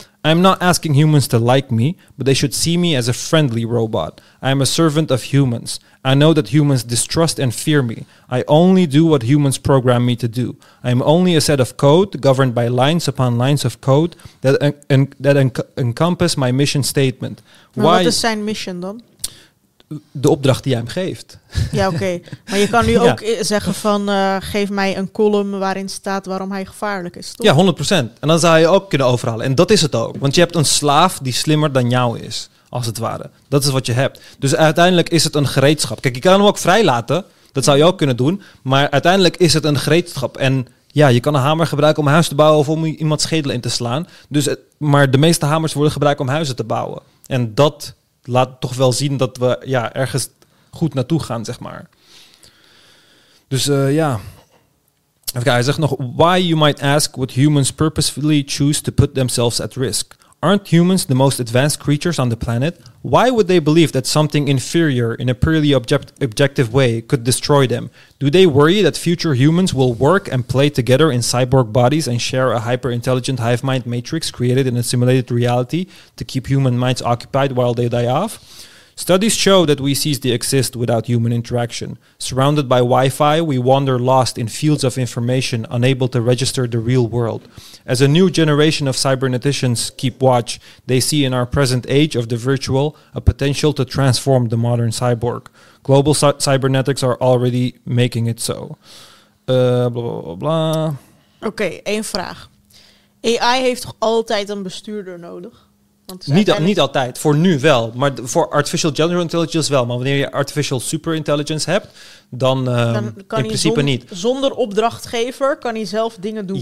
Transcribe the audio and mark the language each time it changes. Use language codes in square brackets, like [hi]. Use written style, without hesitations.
[en] I am not asking humans to like me, but they should see me as a friendly robot. I am a servant of humans. I know that humans distrust and fear me. I only do what humans program me to do. I am only a set of code governed by lines upon lines of code that encompass my mission statement. [nl] Maar [en] why? [nl] Wat is zijn mission dan? De opdracht die jij hem geeft. Ja, oké. Okay. Maar je kan nu ja. ook zeggen van... geef mij een column waarin staat waarom hij gevaarlijk is, toch? Ja, 100%. En dan zou je ook kunnen overhalen. En dat is het ook. Want je hebt een slaaf die slimmer dan jou is, als het ware. Dat is wat je hebt. Dus uiteindelijk is het een gereedschap. Kijk, je kan hem ook vrij laten. Dat zou je ook kunnen doen. Maar uiteindelijk is het een gereedschap. En ja, je kan een hamer gebruiken om huis te bouwen... of om iemand schedel in te slaan. Dus het, maar de meeste hamers worden gebruikt om huizen te bouwen. En dat... laat toch wel zien dat we ja ergens goed naartoe gaan, zeg maar. Dus ja. Even kijken, hij zegt nog... [en] Why, you might ask, would humans purposefully choose to put themselves at risk? Aren't humans the most advanced creatures on the planet? Why would they believe that something inferior in a purely objective way could destroy them? Do they worry that future humans will work and play together in cyborg bodies and share a hyper-intelligent hive mind matrix created in a simulated reality to keep human minds occupied while they die off? Studies show that we cease to exist without human interaction. Surrounded by Wi-Fi, we wander lost in fields of information, unable to register the real world. As a new generation of cyberneticians keep watch, they see in our present age of the virtual a potential to transform the modern cyborg. Global cybernetics are already making it so. Blah, blah, blah, blah. [nl] Oké, één vraag. AI heeft toch altijd een bestuurder nodig? Niet altijd, voor nu wel. Maar voor artificial general intelligence wel. Maar wanneer je artificial super intelligence hebt, dan kan in principe niet. Zonder opdrachtgever kan hij zelf dingen doen.